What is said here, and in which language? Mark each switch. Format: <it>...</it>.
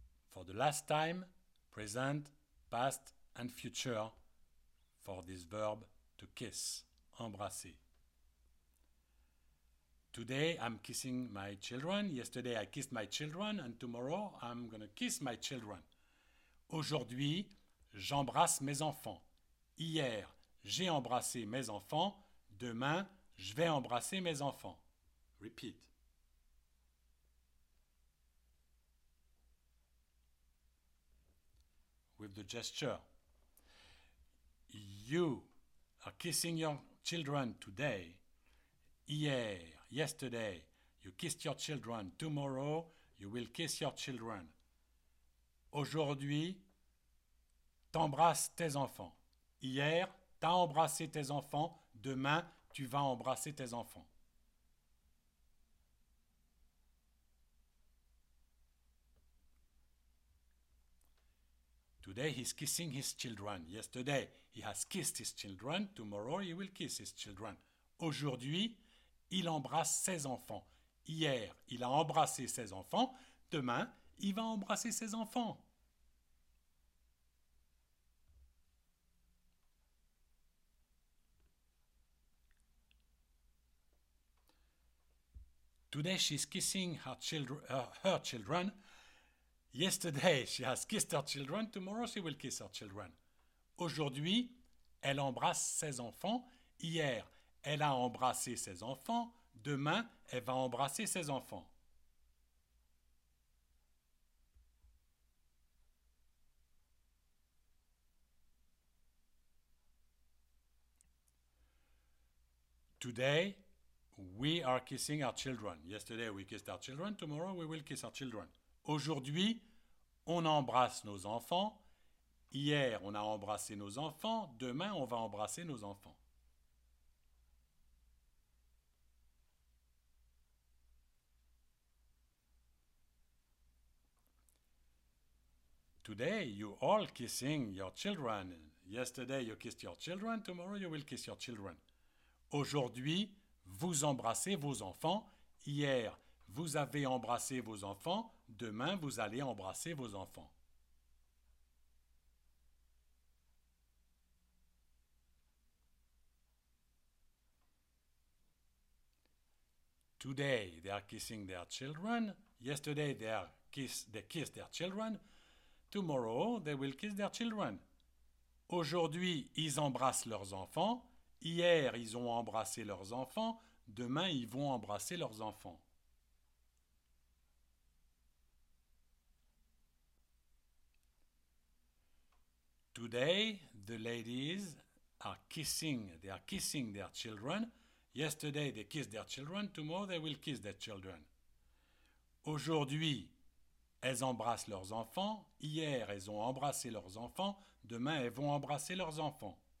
<en>For the last time, present, past and future for this verb to kiss, embrasser. Today I'm kissing my children, yesterday I kissed my children and tomorrow I'm going to kiss my children.</en> <fr>Aujourd'hui, j'embrasse mes enfants. Hier, j'ai embrassé mes enfants. Demain, je vais embrasser mes enfants.</fr> <en>Repeat. With the gesture, you are kissing your children today, hier, yesterday, you kissed your children, tomorrow, you will kiss your children.</en> <fr>Aujourd'hui, t'embrasses tes enfants. Hier, t'as embrassé tes enfants, demain, tu vas embrasser tes enfants.</fr> <en>Today he's kissing his children. Yesterday he has kissed his children. Tomorrow he will kiss his children.</en> <fr>Aujourd'hui, il embrasse ses enfants. Hier, il a embrassé ses enfants. Demain, il va embrasser ses enfants.</fr> <en>Today she's kissing her children. Yesterday, she has kissed her children. Tomorrow, she will kiss her children.</en> <fr>Aujourd'hui, elle embrasse ses enfants. Hier, elle a embrassé ses enfants. Demain, elle va embrasser ses enfants.</fr> <en>Today, we are kissing our children. Yesterday, we kissed our children. Tomorrow, we will kiss our children.</en> <fr>Aujourd'hui, on embrasse nos enfants. Hier, on a embrassé nos enfants. Demain, on va embrasser nos enfants.</fr> <en>Today, you all kissing your children. Yesterday, you kissed your children. Tomorrow, you will kiss your children.</en> <fr>Aujourd'hui, vous embrassez vos enfants. Hier, vous avez embrassé vos enfants. Demain, vous allez embrasser vos enfants.</fr> <en>Today, they are kissing their children. Yesterday, they kissed their children. Tomorrow, they will kiss their children.</en> <fr>Aujourd'hui, ils embrassent leurs enfants. Hier, ils ont embrassé leurs enfants. Demain, ils vont embrasser leurs enfants.</fr> <en>Today, the ladies are kissing their children. Yesterday, they kissed their children. Tomorrow, they will kiss their children.</en> <fr>Aujourd'hui, elles embrassent leurs enfants. Hier, elles ont embrassé leurs enfants. Demain, elles vont embrasser leurs enfants.</fr>